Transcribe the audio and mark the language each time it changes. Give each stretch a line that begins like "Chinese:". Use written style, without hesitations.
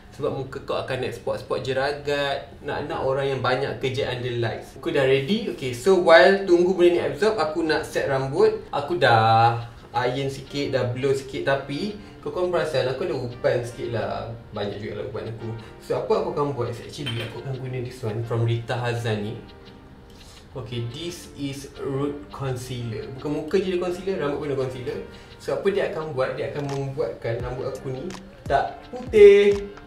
Malay: Sebab muka kau akan naik spot-spot jeragat. Nak-nak orang yang banyak kerja under lights. Aku dah ready. Okay, so while tunggu benda ni absorb, aku nak set rambut. Aku dah iron sikit, dah blow sikit. Tapi kau perasan aku ada upan sikit lah. Banyak juga lah upan aku. So apa aku akan buat is actually aku akan guna this one from Rita Hazan ni.
English: Okay, this is root concealer.
Malay: Bukan muka je dia concealer, rambut pun dia concealer. So apa dia akan buat, dia akan membuatkan rambut aku ni tak putih.